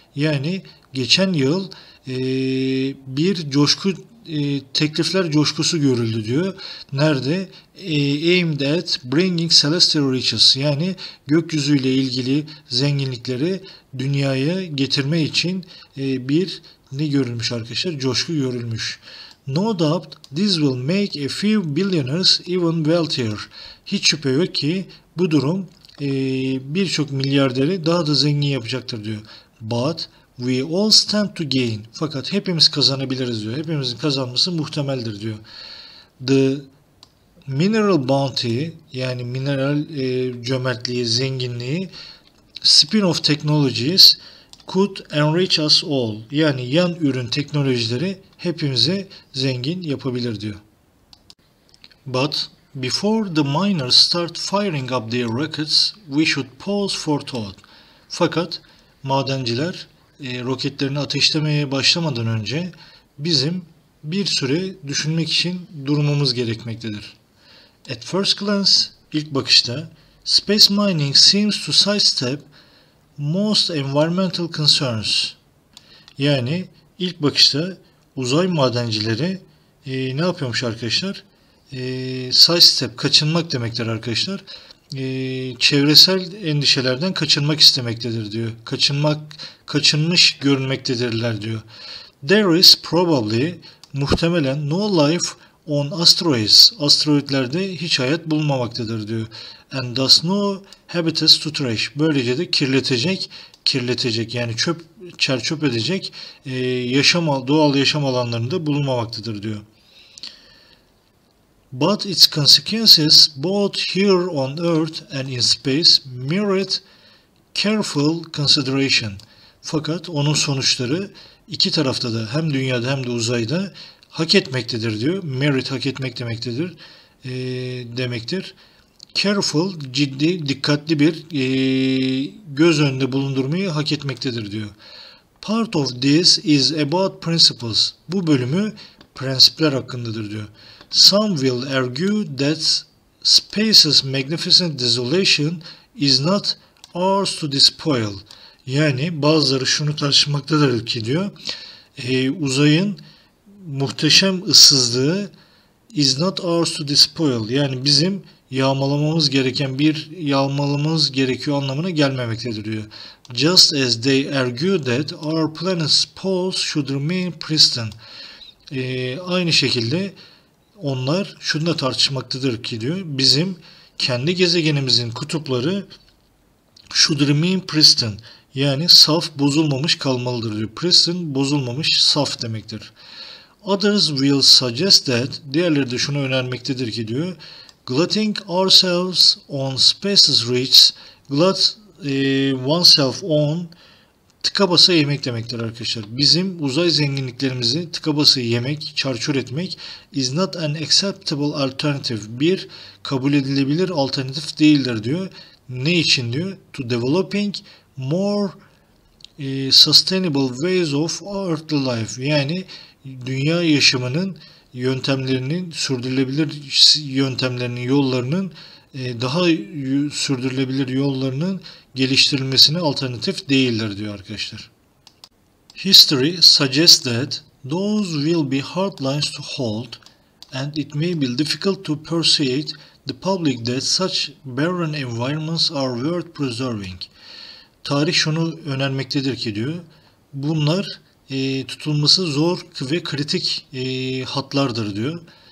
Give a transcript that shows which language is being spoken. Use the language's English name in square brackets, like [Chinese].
[Turkish] Yani geçen yıl bir coşku, teklifler coşkusu görüldü diyor. Nerede? [English] Aimed at bringing celestial riches. [Turkish] Yani gökyüzüyle ilgili zenginlikleri dünyaya getirme için bir ne görülmüş arkadaşlar? Coşku görülmüş. [English] No doubt this will make a few billionaires even wealthier. [Turkish] Hiç şüphe yok ki bu durum birçok milyarderi daha da zengin yapacaktır diyor. [English] But we all stand to gain. [Turkish] Fakat hepimiz kazanabiliriz diyor. Hepimizin kazanması muhtemeldir diyor. [English] The mineral bounty, [Turkish] yani mineral cömertliği, zenginliği, [English] spin-off technologies could enrich us all. [Turkish] Yani yan ürün teknolojileri hepimizi zengin yapabilir diyor. [English] But before the miners start firing up their rockets, we should pause for thought. [Turkish] Fakat madenciler roketlerini ateşlemeye başlamadan önce bizim bir süre düşünmek için durmamız gerekmektedir. [English] At first glance, [Turkish] ilk bakışta, [English] space mining seems to sidestep most environmental concerns. [Turkish] Yani ilk bakışta uzay madencileri ne yapıyormuş arkadaşlar? Sidestep, kaçınmak demektir arkadaşlar. Çevresel endişelerden kaçınmak istemektedir diyor. Kaçınmış görünmektedirler diyor. [English] There is probably, [Turkish] muhtemelen, [English] no life on asteroids. [Turkish] Asteroidlerde hiç hayat bulunmamaktadır diyor. [English] And thus no habitats to trash. [Turkish] Böylece de kirletecek yani çöp, çerçöp edecek yaşam, doğal yaşam alanlarında bulunmamaktadır diyor. [English] But its consequences both here on Earth and in space merit careful consideration. [Turkish] Fakat onun sonuçları iki tarafta da hem dünyada hem de uzayda hak etmektedir diyor. Merit hak etmek demektedir. Demektir. Careful, ciddi, dikkatli bir göz önünde bulundurmayı hak etmektedir diyor. [English] Part of this is about principles. [Turkish] Bu bölümü prensipler hakkındadır diyor. [English] Some will argue that space's magnificent desolation is not ours to despoil. [Turkish] Yani bazıları şunu tartışmaktadır ki diyor. Uzayın muhteşem ıssızlığı [English] is not ours to despoil. [Turkish] Yani bizim yağmalamamız gereken bir yağmalamamız gerekiyor anlamına gelmemektedir diyor. [English] Just as they argue that our planet's poles should remain pristine. [Turkish] Aynı şekilde onlar şunu da tartışmaktadır ki diyor. Bizim kendi gezegenimizin kutupları [English] should remain pristine. [Turkish] Yani saf, bozulmamış kalmalıdır diyor. Pristine, bozulmamış, saf demektir. [English] Others will suggest that, [Turkish] diğerleri de şunu önermektedir ki diyor, [English] glutting ourselves on space's riches, glut oneself on, [Turkish] tıka basa yemek demektir arkadaşlar. Bizim uzay zenginliklerimizi tıka basa yemek, çarçur etmek [English] is not an acceptable alternative, [Turkish] bir kabul edilebilir alternatif değildir diyor. Ne için diyor? [English] To developing more sustainable ways of earthly life, [Turkish] yani dünya yaşamının yöntemlerinin, sürdürülebilir yöntemlerinin, yollarının, daha sürdürülebilir yollarının geliştirilmesine alternatif değildir diyor arkadaşlar. [English] History suggests that those will be hard lines to hold and it may be difficult to persuade the public that such barren environments are worth preserving. [Turkish] Tarih şunu önermektedir ki diyor, bunlar tutulması zor ve kritik hatlardır diyor.